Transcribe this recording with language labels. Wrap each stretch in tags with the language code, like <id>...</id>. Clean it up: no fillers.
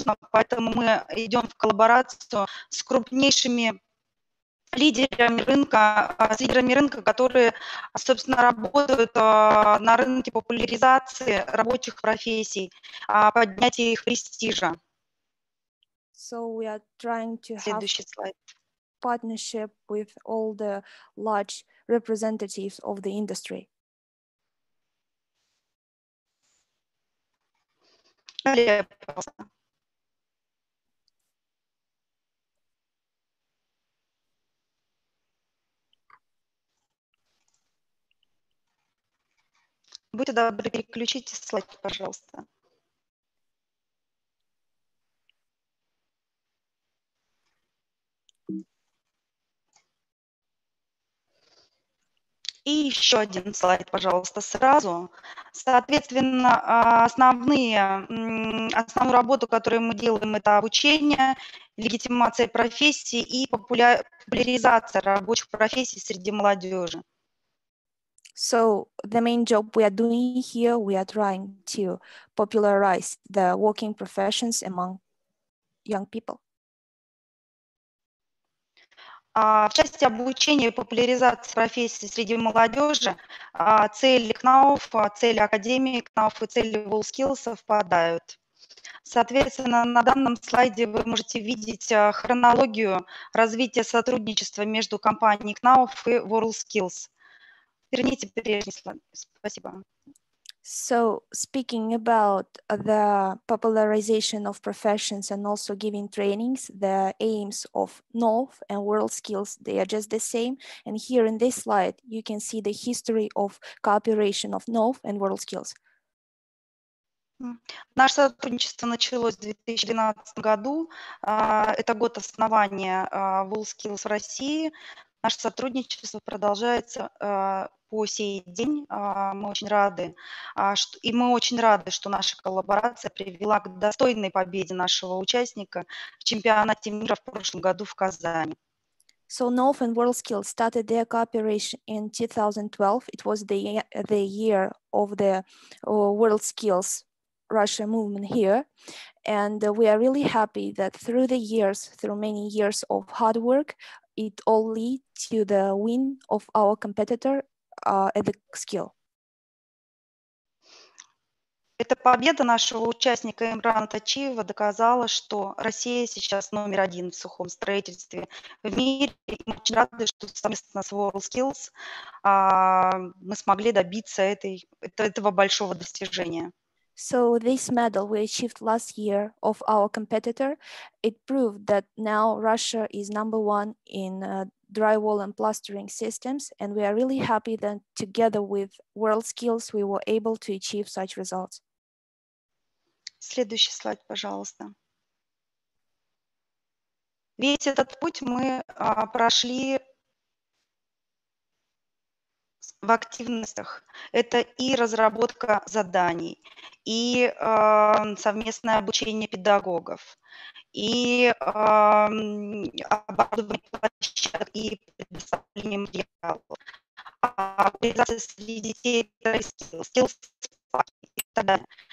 <ru>Поэтому мы идем в коллаборацию с крупнейшими лидерами рынка, которые, собственно, работают на рынке популяризации рабочих профессий, поднятия их престижа.</ru> <en>So we are trying to</en> <ru>Следующий</ru> <en>have</en> <ru>слайд.</ru> <en>Partnership with all the large representatives of the industry.</en> <ru>Будьте добры, переключите слайд, пожалуйста. И еще один слайд, пожалуйста, сразу. Соответственно, основную работу, которую мы делаем, это обучение, легитимация профессии и популяризация рабочих профессий среди молодежи.</ru> <en>So the main job we are doing here, we are trying to popularize the working professions among young people.</en> <ru>В части обучения и популяризации профессии среди молодежи цели КНАУФ, цели Академии КНАУФ и цели WorldSkills совпадают. Соответственно, на данном слайде вы можете видеть хронологию развития сотрудничества между компанией КНАУФ и WorldSkills. Верните прежний слайд. Спасибо.</ru> <en>So, speaking about the popularization of professions and also giving trainings, the aims of KNAUF and WorldSkills, they are just the same. And here in this slide, you can see the history of cooperation of KNAUF and WorldSkills.</en> <ru>Наше сотрудничество началось в 2012 году. Это год основания WorldSkills в России. Наше сотрудничество продолжается по сей день. Мы очень рады, что наша коллаборация привела к достойной победе нашего участника в чемпионате мира в прошлом году в Казани.</ru> <en>So KNAUF and WorldSkills started their cooperation in 2012. It was the year of the WorldSkills Russia movement here. And we are really happy that through the years, through many years of hard work, it all lead to the win of our competitor at the skill.</en> <ru>Эта победа нашего участника Имрана Тачиева доказала, что Россия сейчас номер один в сухом строительстве в мире. И мы очень рады, что совместно с WorldSkills мы смогли добиться этого большого достижения.</ru> <en>So this medal we achieved last year of our competitor, it proved that now Russia is number one in drywall and plastering systems, and we are really happy that together with WorldSkills we were able to achieve such results.</en> <ru>Следующий слайд, пожалуйста. Весь этот путь мы прошли в активностях. Это и разработка заданий, и совместное обучение педагогов, и оборудование площадок, и предоставление материалов, организация среди детей, скиллс, и так далее.</ru>